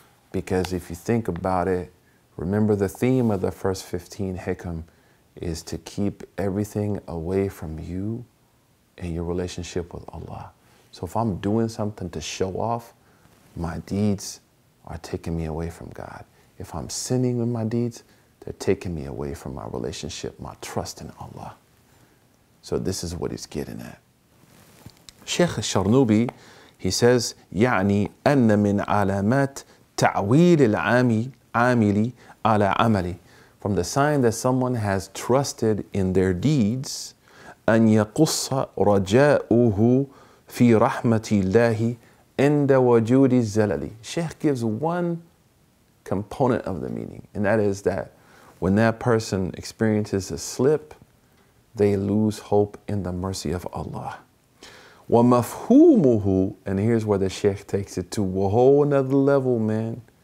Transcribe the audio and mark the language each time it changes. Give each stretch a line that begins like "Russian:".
English: Because if you think about it, remember the theme of the first 15 hikam is to keep everything away from you and your relationship with Allah. So if I'm doing something to show off, my deeds are taking me away from God. If I'm sinning with my deeds, they're taking me away from my relationship, my trust in Allah. So this is what he's getting at. Sheikh Sharnubi, he says,
Arabic: يعني أن من علامات تعويل العامل على عمله,
English: from the sign that someone has trusted in their deeds,
Arabic: أن يقص رجاؤه في رحمة الله عِنْدَ وَجُودِ الزَّلَلِ.
English: Sheikh gives one component of the meaning, and that is that when that person experiences a slip, they lose hope in the mercy of Allah. وَمَفْهُومُهُ, and here's where the Sheikh takes it to a whole another level, man.